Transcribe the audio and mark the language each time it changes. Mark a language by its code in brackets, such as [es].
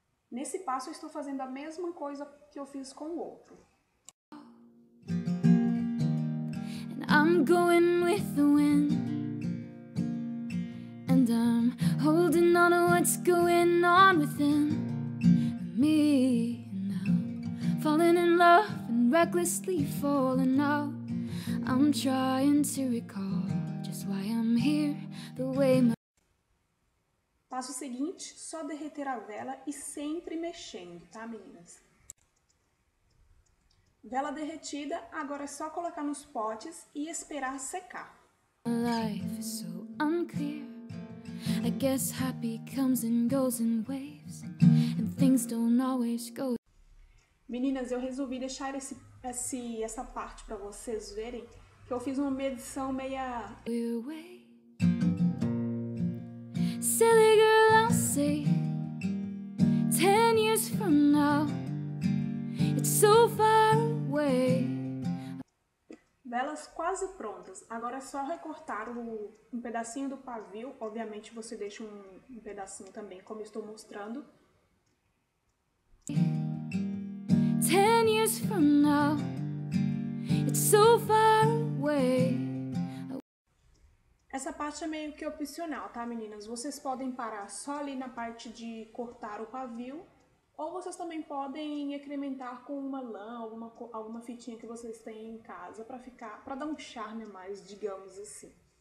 [pt] Nesse passo eu estou fazendo a mesma coisa que eu fiz com o outro. [en] And I'm going with the wind. And I'm holding on to what's going on within. Me now, falling in love and recklessly falling out. I'm trying to recall just why I'm here, the way my. [pt] Passo seguinte: só derreter a vela e sempre mexendo, tá, meninas? Vela derretida, agora é só colocar nos potes e esperar secar. [en] My life is so unclear. I guess happy comes and goes in waves. Things don't always go. [pt] Meninas, eu resolvi deixar essa parte para vocês verem que eu fiz uma medição meia. [en] Silly girl, I'll say 10 years from now, it's so far away. [pt] Velas quase prontas. Agora é só recortar um pedacinho do pavio. Obviamente você deixa um pedacinho também, como estou mostrando. [en] 10 years from now, it's so far away. [pt] Essa parte é meio que opcional, tá, meninas? Vocês podem parar só ali na parte de cortar o pavio, ou vocês também podem incrementar com uma lã, alguma fitinha que vocês têm em casa para ficar, para dar um charme a mais, digamos assim.